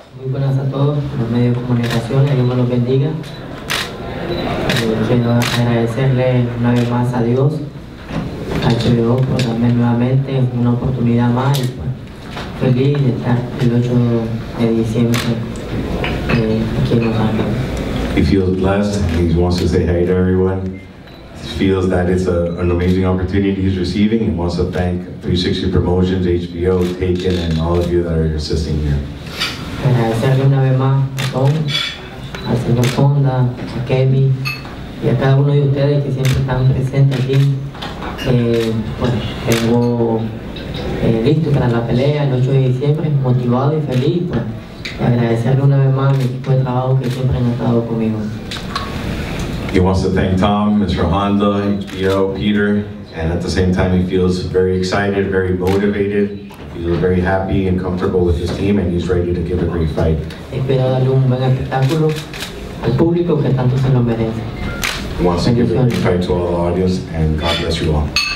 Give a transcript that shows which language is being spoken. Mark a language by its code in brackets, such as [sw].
[es] Buenas a todos los medios de comunicación, Dios me los bendiga. Quiero agradecerle una vez más a Dios, a HBO, por darme nuevamente una oportunidad más. Y, bueno, feliz de estar el 8 de diciembre aquí en Los Ángeles. [en] He feels blessed, and he wants to say hi to everyone. He feels that it's an amazing opportunity he's receiving, and wants to thank 360 Promotions, HBO, Taken, and all of you that are assisting here. [es] Agradecerle una vez más a Tom, al señor Fonda, a Kemi y a cada uno de ustedes que siempre están presentes aquí. Tengo listo para la pelea el 8 de diciembre, motivado y feliz. Pues, agradecerle una vez más a mi equipo de trabajo que siempre han estado conmigo. [en] He wants to thank Tom, Mr. Honda, HBO, Peter, and at the same time he feels very excited, very motivated. He's very happy and comfortable with his team, and he's ready to give a great fight. He wants to give a great fight to all the audience, and God bless you all.